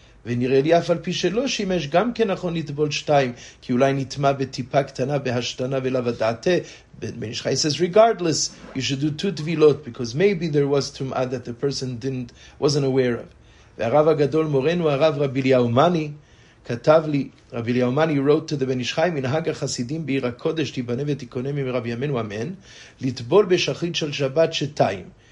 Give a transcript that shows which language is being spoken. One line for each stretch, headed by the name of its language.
Hebrew: ונראה לי אף על פי שלא שימש גם כן נכון לטבול שתיים, כי אולי נטמע בטיפה קטנה בהשתנה ולבדעתה.
English: בן ישחי says, regardless, you should do 2 תבילות, because maybe there was tum'ah that the person wasn't aware of.
Hebrew: והרב הגדול מורנו, הרב רבי אליהו מני, כתב לי, רבי אליהו מני
English: wrote to the
Hebrew: בן ישחי, מנהג החסידים בעיר הקודש, תיבנה ותיקונה מרב ימינו, אמן, לטבול בשחרית של שבת שתיים.